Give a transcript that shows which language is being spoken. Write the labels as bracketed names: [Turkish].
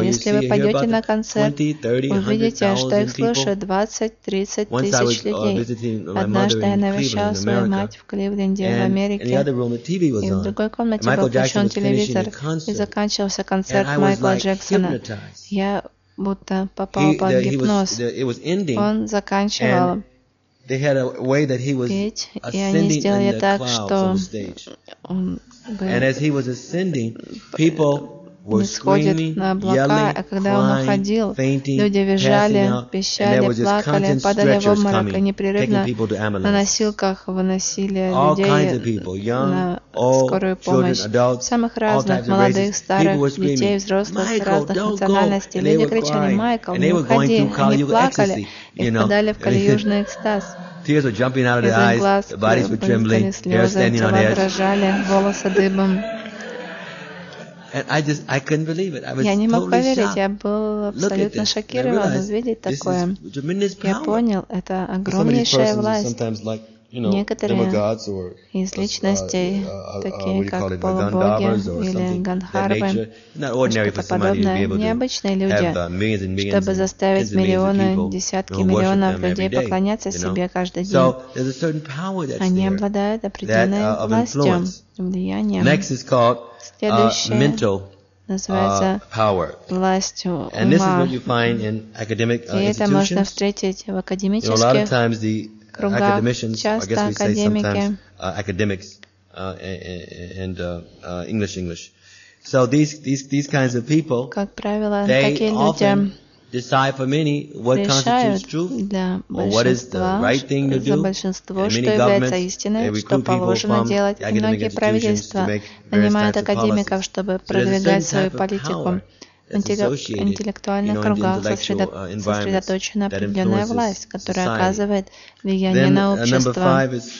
[Russian] Если вы пойдете на концерт, увидите, что их слушают 20-30 тысяч людей. Однажды я навещал свою мать в Кливленде, в Америке. И в другой комнате был включен телевизор, и заканчивался концерт Майкла Джексона. Я будто попал под гипноз. Он заканчивал. [English] They had a way that he was ascending in the clouds on the stage. And as he was ascending, people were screaming, yelling, crying, fainting, passing out, and there was just constant stretchers coming, taking people to ambulance. All kinds of people, young, old, children, adults, all types of races. People were screaming, Michael, don't go! And they were crying. And they were going through Kali-Yuga ecstasy. [Russian] И впадали в калиюжный экстаз. [English] Tears were jumping out of their eyes, the bodies were trembling, hair standing on edge. [Russian] Волосы дыбом. [English] And I couldn't believe it. I was [Russian] я не мог [English] totally [Russian] поверить, [English] shocked. [Russian] Я был абсолютно шокирован увидеть такое. Я понял, это огромнейшая власть. некоторые из личностей, такие как полубоги или ганхарвы, что-то подобное, необычные люди, чтобы заставить миллионы, десятки миллионов людей поклоняться себе каждый день. Они обладают определенной властью, влиянием. Следующее называется властью ума. [English] And this is what you find in academic institutions. [Russian] И это можно встретить в академических кругах. Часто академики, [English] academics, and English. So these kinds of people, [Russian] как правило, [English] they [Russian] такие [English] often [Russian] люди [English] decide for many what constitutes truth, or what is the right thing to do. [Russian] За большинство, что является истиной, что положено делать, и многие правительства нанимают академиков, чтобы продвигать свою политику. Интеллектуальных кругах сосредоточена определенная власть, которая оказывает влияние на общество.